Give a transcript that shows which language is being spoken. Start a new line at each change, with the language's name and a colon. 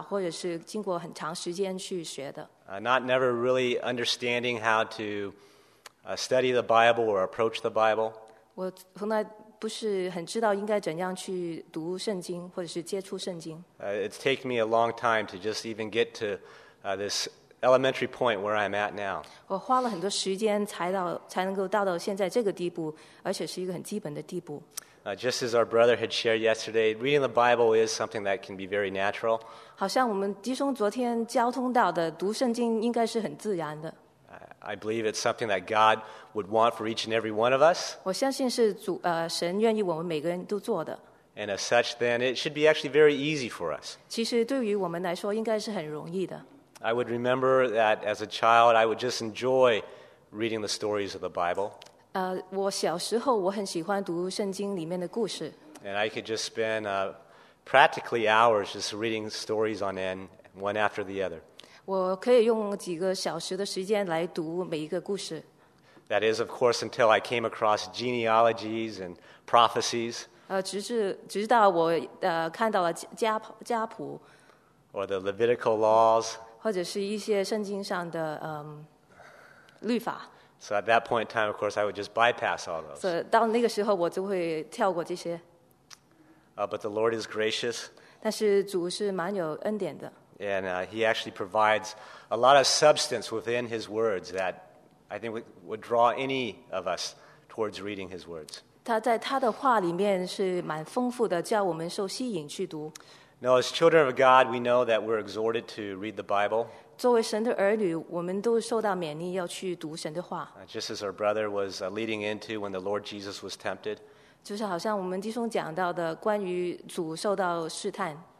Chinese: 这些功课我都是要经过一些挣扎或者是经过很长时间去学的
English: Not never really understanding how to study the Bible or approach the Bible.
Chinese: 我从来不是很知道应该怎样去读圣经或者是接触圣经
English: It's taken me a long time to just even get to this elementary point where I'm at now.
Chinese: 我花了很多时间才能够到现在这个地步,而且是一个很基本的地步。
English: Just as our brother had shared yesterday, reading the Bible is something that can be very natural.
Chinese: 好像我们弟兄昨天交通到的读圣经应该是很自然的。
English: I believe it's something that God would want for each and every one of us.
Chinese: 我相信是主, 神愿意我们每个人都做的。
English: And as such, then, it should be actually very easy for us.
Chinese: 其实对于我们来说应该是很容易的。
English: I would remember that as a child, I would just enjoy reading the stories of the Bible.
Chinese: 我小时候我很喜欢读圣经里面的故事。
English: And I could just spend practically hours just reading stories on end, one after the other.
Chinese: 我可以用几个小时的时间来读每一个故事。
English: That is, of course, until I came across genealogies and prophecies.
Chinese: 直到我看到了家谱。
English: Or the Levitical laws.
Chinese: 或者是一些圣经上的律法。
English: So at that point in time, of course, I would just bypass all those.
Chinese: 到那个时候我就会跳过这些。
English: But the Lord is gracious.
Chinese: 但是主是蛮有恩典的。
English: And he actually provides a lot of substance within his words that I think would draw any of us towards reading his words.
Chinese: 他在他的话里面是蛮丰富的, 叫我们受吸引去读。
English: Now, as children of God, we know that we're exhorted to read the Bible.
Chinese: 作为神的儿女, 我们都受到勉励要去读神的话。
English: Just as our brother was leading into when the Lord Jesus was tempted.
Chinese: 就是好像我们弟兄讲到的, 关于主受到试探。